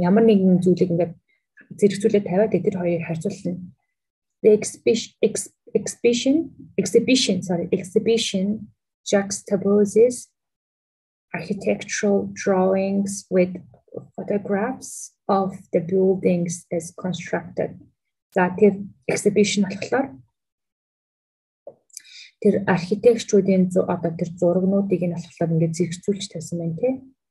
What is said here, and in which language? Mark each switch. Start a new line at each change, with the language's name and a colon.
Mongolian: Ямар нэгэн зүйлийг ингээд зэрэгцүүлээ тавиад эдгээр хоёрыг харьцуулна.
English: The exhibition juxtaposes architectural drawings with photographs of the buildings as constructed.
Mongolian: За тэр exhibition болохоор тэр архитектчүүдийн одоо тэр зургнуудыг нь болохоор ингээд зэрэгцүүлж тавьсан байх тийм.